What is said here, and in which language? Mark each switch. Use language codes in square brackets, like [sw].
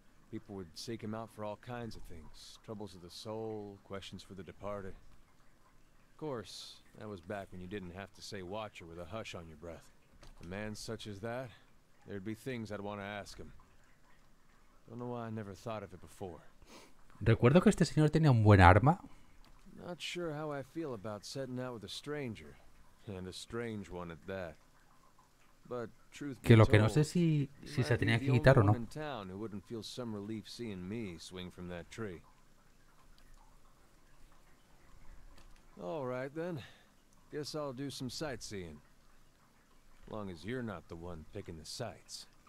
[en] People would seek him out for all kinds of things. Troubles of the soul, questions for the departed. Of course, that was back when you didn't have to say watcher with a hush on your breath. A man such as that, there'd be things I'd want to ask him. Don't know why I never thought of it before. [es] Recuerdo que este señor tenía un buen arma. [en] Not sure how I feel about setting out with a stranger, and a strange one at that. But truth [es] que lo que no sé si se tenía que quitar o no. [en] Town who wouldn't feel some relief seeing me swing from that tree. All right then, guess I'll do some sightseeing. Long as you're not the one picking the sights.